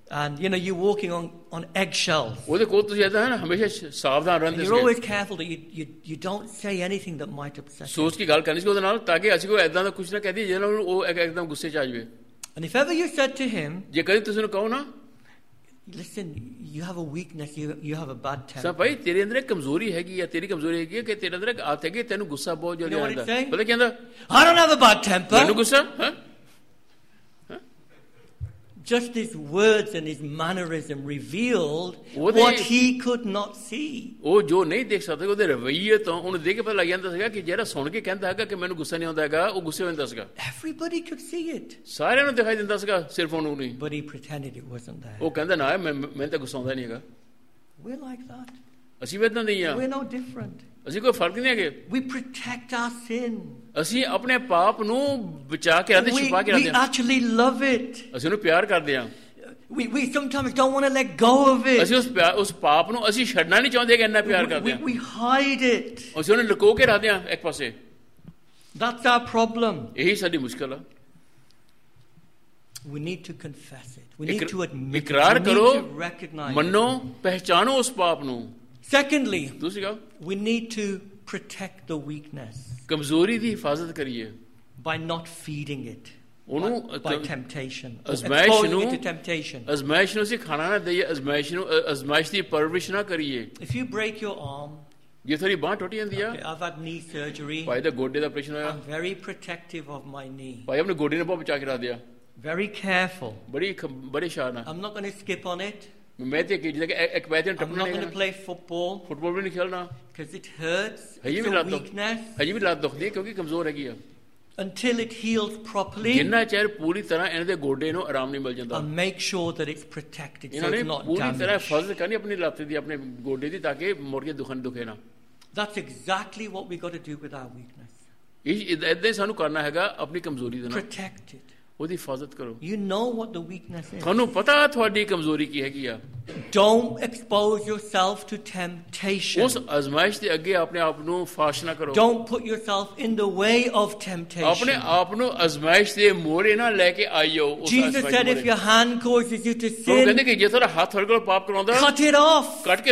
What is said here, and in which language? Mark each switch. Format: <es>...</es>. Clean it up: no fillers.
<en>And you know you're walking on eggshells.</en> <pa>ਉਹਦੇ ਕੋਲ ਤੁਸੀਂ ਇਹਦਾ ਹਨ ਹਮੇਸ਼ਾ ਸਾਵਧਾਨ ਰਹਿੰਦੇ ਸੀ।</pa> <en>You're always careful that you don't say anything that might upset him.</en> <pa>ਸੋਚ ਕੇ ਗੱਲ ਕਰਨੀ ਸੀ ਉਹਦੇ ਨਾਲ, ਤਾਂ ਕਿ ਅਸੀਂ ਕੋਈ ਇਦਾਂ ਦਾ ਕੁਝ ਨਾ ਕਹਿ ਦਈਏ ਜਿਹਨਾਂ ਨੂੰ ਉਹ ਇੱਕਦਮ ਗੁੱਸੇ 'ਚ ਆ ਜਾਵੇ।</pa> <en>And if ever you said to him,</en> <pa>ਜੇ ਕਦੇ ਤੁਸੀਂ ਉਹਨੂੰ ਕਹੋ ਨਾ,</pa> <en>listen, you have a weakness, you have a bad temper.</en> <pa>ਸਭ ਭਾਈ ਤੇਰੇ ਅੰਦਰ ਕਮਜ਼ੋਰੀ ਹੈਗੀ ਆ, ਤੇਰੀ ਕਮਜ਼ੋਰੀ ਹੈਗੀ ਆ ਕਿ ਤੇਰੇ ਅੰਦਰ ਆਤ ਹੈਗੀ, ਤੈਨੂੰ ਗੁੱਸਾ ਬਹੁਤ ਜ਼ਿਆਦਾ ਆਉਂਦਾ। ਬੋਲੇ ਕਹਿੰਦਾ,</pa> <en>I don't have a bad temper.</en> <pa>ਮੈਨੂੰ ਗੁੱਸਾ?</pa> <en>Just his words and his mannerism revealed what he could not see.</en> <pa>ਉਹ ਜੋ ਨਹੀਂ ਦੇਖ ਸਕਦਾ ਉਹਦੇ ਰਵੱਈਏ ਤੋਂ ਉਹਨੂੰ ਦੇਖ ਕੇ ਪਤਾ ਲੱਗ ਜਾਂਦਾ ਸੀਗਾ ਕਿ ਜਿਹੜਾ ਸੁਣ ਕੇ ਕਹਿੰਦਾ ਹੈਗਾ ਕਿ ਮੈਨੂੰ ਗੁੱਸਾ ਨਹੀਂ ਆਉਂਦਾ ਹੈਗਾ, ਉਹ ਗੁੱਸੇ ਹੋ ਜਾਂਦਾ ਸੀਗਾ।</pa> <en>Everybody could see it.</en> <pa>ਸਾਰਿਆਂ ਨੂੰ ਦਿਖਾਈ ਦਿੰਦਾ ਸੀਗਾ, ਸਿਰਫ ਉਹਨੂੰ ਨਹੀਂ।</pa> <en>But he pretended it wasn't there.</en> <pa>ਉਹ ਕਹਿੰਦਾ ਨਾ, ਮੈਨੂੰ ਤਾਂ ਗੁੱਸਾ ਆਉਂਦਾ ਨਹੀਂ ਹੈਗਾ।</pa> <en>We're like that.</en> <pa>ਅਸੀਂ ਵੀ ਇਦਾਂ ਦੇ ਹੀ ਆ।</pa> <en>We're no different.</en> <pa>ਅਸੀਂ ਕੋਈ ਫਰਕ ਨਹੀਂ ਹੈਗੇ।</pa> <en>We protect our sin.</en> <pa>ਅਸੀਂ ਆਪਣੇ ਪਾਪ ਨੂੰ ਬਚਾ ਕੇ ਰੱਖਦੇ, ਛੁਪਾ ਕੇ ਰੱਖਦੇ।</pa> <en>We actually love it.</en> <pa>ਅਸੀਂ ਉਹਨੂੰ ਪਿਆਰ ਕਰਦੇ ਆ।</pa> <en>We sometimes don't want to let go of it.</en> <pa>ਅਸੀਂ ਉਸ ਪਾਪ ਨੂੰ ਅਸੀਂ ਛੱਡਣਾ ਨਹੀਂ ਚਾਹੁੰਦੇ ਕਿ ਇੰਨਾ ਪਿਆਰ ਕਰਦੇ ਆ।</pa> <en>We hide it.</en> <pa>ਅਸੀਂ ਉਹਨੂੰ ਲੁਕੋ ਕੇ ਰੱਖਦੇ ਆ ਇੱਕ ਪਾਸੇ।</pa> <en>That's our problem.</en> <pa>ਇਹੀ ਸਾਡੀ ਮੁਸ਼ਕਲ ਆ।</pa> <en>We need to confess it. We need to admit it.</en> <pa>ਇਕਰਾਰ ਕਰੋ,</pa> <en>recognize.</en> <pa>ਮੰਨੋ, ਪਹਿਚਾਨੋ ਉਸ ਪਾਪ ਨੂੰ।</pa> <en>Secondly,</en> <pa>ਦੂਸਰੀ ਗੱਲ,</pa> <en>we need to protect the weakness.</en> <pa>ਕਮਜ਼ੋਰੀ ਦੀ ਹਿਫਾਜ਼ਤ ਕਰੀਏ।</pa> <en>By not feeding it.</en> <pa>ਉਹਨੂੰ</pa> <en>by temptation.</en> <pa>ਅਜ਼ਮਾਇਸ਼ ਨੂੰ</pa> <en>temptation.</en> <pa>ਅਜ਼ਮਾਇਸ਼ ਨੂੰ ਅਸੀਂ ਖਾਣਾ ਨਾ ਦੇਈਏ, ਅਜ਼ਮਾਇਸ਼ ਨੂੰ ਅਜ਼ਮਾਇਸ਼ ਦੀ ਪਰਵਰਿਸ਼ ਨਾ ਕਰੀਏ।</pa> <en>If you break your arm.</en> <pa>ਜੇ ਤੁਹਾਡੀ ਬਾਂਹ ਟੁੱਟ ਜਾਂਦੀ ਆ।</pa> <en>Okay, I've had knee surgery.</en> <pa>ਭਾਈ ਦਾ ਗੋਡੇ ਦਾ ਆਪਰੇਸ਼ਨ ਹੋਇਆ।</pa> <en>I'm very protective of my knee.</en> <pa>ਭਾਈ ਆਪਣੇ ਗੋਡੇ ਨੂੰ ਬਚਾ ਕੇ ਰੱਖ ਦਿਆ।</pa> <en>Very careful.</en> <pa>ਬੜੀ ਸ਼ਾਨ ਆ।</pa> <en>I'm not going to skip on it.</en> <pa>ਮੈਂ ਤੇ ਕਿਹਾ ਕਿ ਇੱਕ ਵਾਰ ਤੇ ਟੱਪਣਾ ਨਹੀਂ</pa> <en>Play football.</en> <pa>ਫੁੱਟਬਾਲ ਵੀ ਨਹੀਂ ਖੇਲਣਾ। ਕਿਉਂਕਿ</pa> <en>It hurts.</en> <pa>ਹਜੇ ਵੀ ਲੱਤ ਦੁਖਦੀ ਹੈ। ਹਜੇ ਵੀ ਲੱਤ ਦੁਖਦੀ ਹੈ ਕਿਉਂਕਿ ਕਮਜ਼ੋਰ ਹੈਗੀ ਆ।</pa> <en>Until it heals properly.</en> <pa>ਜਿੰਨਾ ਚਿਰ ਪੂਰੀ ਤਰ੍ਹਾਂ ਇਹਨਾਂ ਦੇ ਗੋਡੇ ਨੂੰ ਆਰਾਮ ਨਹੀਂ ਮਿਲ ਜਾਂਦਾ।</pa> <en>And make sure that it's protected so it's not damaged.</en> <pa>ਪੂਰੀ ਤਰ੍ਹਾਂ ਫਜ਼ਲ ਕਰਨੀ ਆਪਣੀ ਲੱਤ ਦੀ, ਆਪਣੇ ਗੋਡੇ ਦੀ, ਤਾਂ ਕਿ ਮੁਰਗੇ ਦੁਖਣ ਦੁਖੇ ਨਾ।</pa> <en>That's exactly what we got to do with our weakness.</en> <pa>ਇਹ ਇਦਾਂ ਹੀ ਸਾਨੂੰ ਕਰਨਾ ਹੈਗਾ ਆਪਣੀ ਕਮਜ਼ੋਰੀ ਦੇ ਨਾਲ।</pa> <en>Protect it.</en> <pa>ਉਹਦੀ ਹਿਫਾਜ਼ਤ ਕਰੋ।</pa> <en>You know what the weakness is.</en> <pa>ਤੁਹਾਨੂੰ ਪਤਾ ਤੁਹਾਡੀ ਕਮਜ਼ੋਰੀ ਕੀ ਹੈਗੀ ਆ।</pa> <en>Don't expose yourself to temptation. Don't put yourself in the way of temptation. Jesus said, if your hand causes you to sin, cut it off.</en>